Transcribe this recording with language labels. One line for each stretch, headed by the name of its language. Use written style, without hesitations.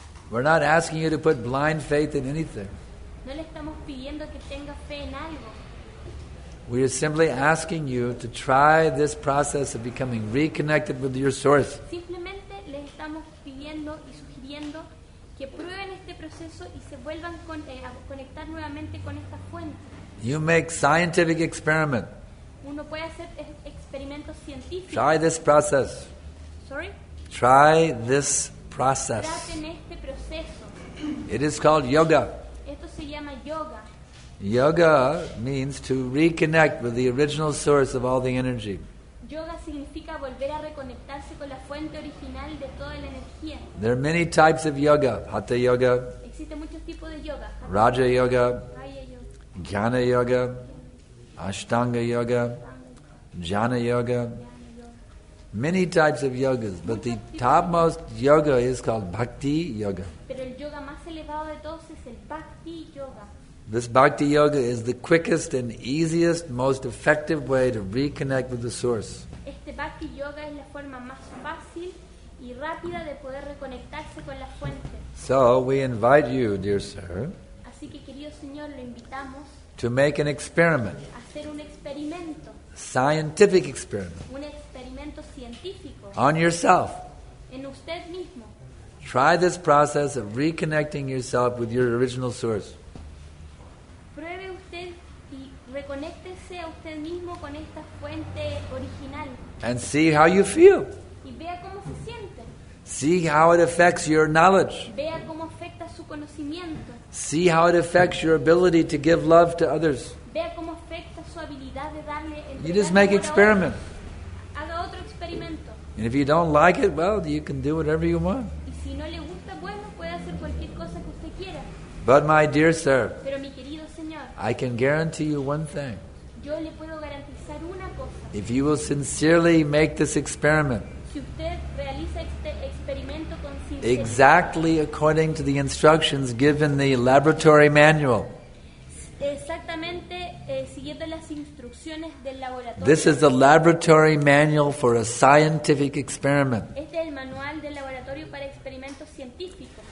English: We're not asking you to put blind faith in anything.
Spanish: No le estamos pidiendo que tenga fe en algo.
English: We are simply asking you to try this process of becoming reconnected with your source.
Spanish: Simplemente y sugiriendo que prueben este proceso y se vuelvan a conectar nuevamente con esta fuente.
English: You make scientific experiment.
Spanish: Uno puede hacer experimentos científicos.
English: Try this process. Sorry? Try this process.
Spanish: Traten este proceso.
English: It is called yoga.
Spanish: Esto se llama yoga.
English: Yoga means to reconnect with the original source of all the energy.
Spanish: Yoga significa volver a reconectarse con la fuente original de toda la energía.
English: There are many types of yoga. Hatha yoga.
Spanish: Existen muchos tipos de yoga.
English: Raja yoga.
Spanish: Raya yoga.
English: Jnana yoga. Ashtanga yoga. Jhana yoga. Many types of yogas. But the topmost yoga is called Bhakti yoga.
Spanish: Pero el yoga más elevado de todos es el Bhakti yoga.
English: This bhakti yoga is the quickest and easiest, most effective way to reconnect with the source.
Spanish: Este bhakti yoga es la forma más fácil y rápida de poder reconectarse con la fuente.
English: So we invite you, dear sir,
Spanish: así que, querido señor, lo invitamos
English: to make an experiment.
Spanish: Hacer un experimento.
English: Scientific experiment.
Spanish: Un experimento científico.
English: On yourself.
Spanish: En usted mismo.
English: Try this process of reconnecting yourself with your original source.
Spanish: Pruebe usted y reconéctese a usted mismo con esta fuente original.
English: And see how you feel.
Spanish: Y vea cómo se siente.
English: See how it affects your knowledge.
Spanish: Vea cómo afecta su conocimiento.
English: See how it affects your ability to give love to others.
Spanish: Vea cómo afecta su habilidad de darle el
English: You just make experiment.
Spanish: Haga otro experimento.
English: And if you don't like it, well, you can do whatever you want.
Spanish: Y si no le gusta, bueno, puede hacer cualquier cosa que usted quiera.
English: But my dear sir,
Spanish: pero mi querido señor,
English: I can guarantee you one thing.
Spanish: Yo le puedo garantizar una cosa.
English: If you will sincerely make this experiment,
Spanish: si usted realiza este experimento con sinceridad,
English: exactly according to the instructions given the laboratory manual,
Spanish: exactamente, siguiendo las instrucciones del laboratorio,
English: this is the laboratory manual for a scientific experiment.
Spanish: Este es el manual del laboratorio para experimentos científicos.